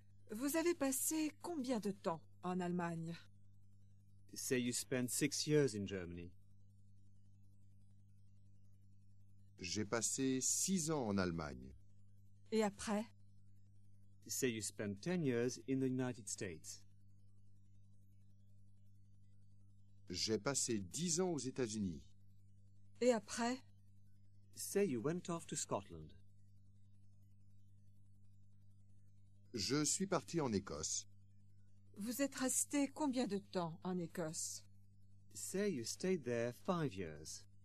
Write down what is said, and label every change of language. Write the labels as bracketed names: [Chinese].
[French] Vous avez passé combien de temps en Allemagne? [English] Say you spent 6 years in Germany. [French] J'ai passé 6 ans en Allemagne. Et après? [English] Say you spent 10 years in the United States. [French] J'ai passé 10 ans aux États-Unis. Et après? [English] Say you went off to Scotland. [French] Je suis parti en Écosse. Vous êtes resté combien de temps en Écosse? [English] Say you stayed there 5 years.